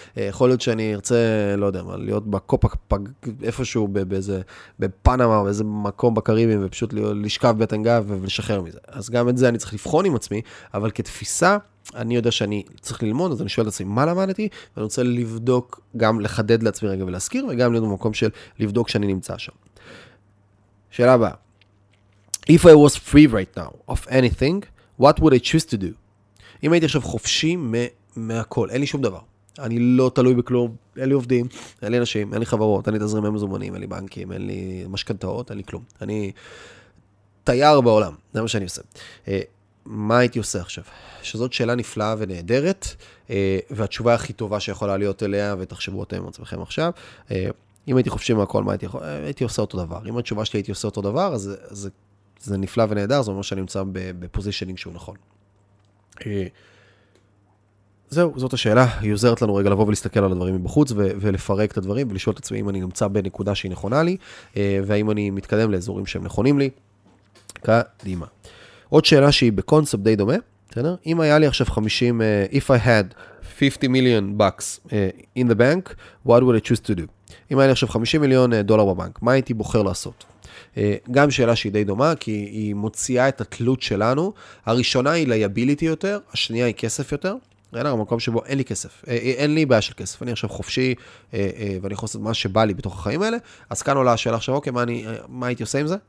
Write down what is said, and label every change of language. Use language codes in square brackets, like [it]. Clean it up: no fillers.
[he] יכול להיות שאני ארצה, לא יודע, מה, להיות בקופה, איפשהו באיזה, בפנמה, באיזה מקום בקריבים, ופשוט לשכב בטן גב ולשחרר מזה. אז גם את זה אני צריך לבחון עם עצמי, אבל כתפיסה, אני יודע שאני צריך ללמוד, אז אני שואל את עצמי מה למדתי, ואני רוצה לבדוק, גם לחדד לעצמי רגע ולהזכיר, וגם להיות במקום של לבדוק שאני נמצא שם. שאלה הבאה. [en] If I was free right now of anything, what would I choose to do? [he] אם הייתי עכשיו חופשי מהכל, אין לי שום דבר. אני לא תלוי בכלום, אין לי עובדים, אין לי אנשים, אין לי חברות, אין לי תזרימי מזומנים, אין לי בנקים, אין לי משכנתאות, אין לי כלום. אני תייר בעולם, זה מה שאני עושה. מה הייתי עושה עכשיו? שזאת שאלה נפלאה ונהדרת, והתשובה הכי טובה שיכולה להיות אליה, ותחשבו אתם עצמכם עכשיו, אם הייתי חופשי מהכל, מה הייתי יכול? הייתי עושה אותו דבר. אם התשובה שלי הייתי עושה אותו דבר, אז זה נפלא ונהדר, זה אומר שאני נמצא בפוזישנינג שהוא נכון. זהו, זאת השאלה. היא עוזרת לנו רגע לבוא ולהסתכל על הדברים מבחוץ, ולפרק את הדברים, ולשאול את עצמי אם אני נמצא בנקודה שהיא נכונה לי, והאם אני מתקדם לאזורים שהם נכונים לי. קדימה. עוד שאלה שהיא בקונספט די דומה, בסדר? אם היה לי עכשיו 50, [en] if I had 50 million bucks in the bank, what would I choose to do? [he] אם היה לי עכשיו 50 מיליון דולר בבנק, מה הייתי בוחר לעשות? גם שאלה שהיא די דומה, כי היא מוציאה את התלות שלנו. הראשונה היא liability יותר, השנייה היא כסף יותר. בסדר, המקום שבו אין לי כסף, אין לי בעיה של כסף, אני עכשיו חופשי, ואני יכול לעשות מה שבא לי בתוך החיים האלה, אז כאן עולה השאלה עכשיו, אוקיי, מה הייתי עושה עם זה?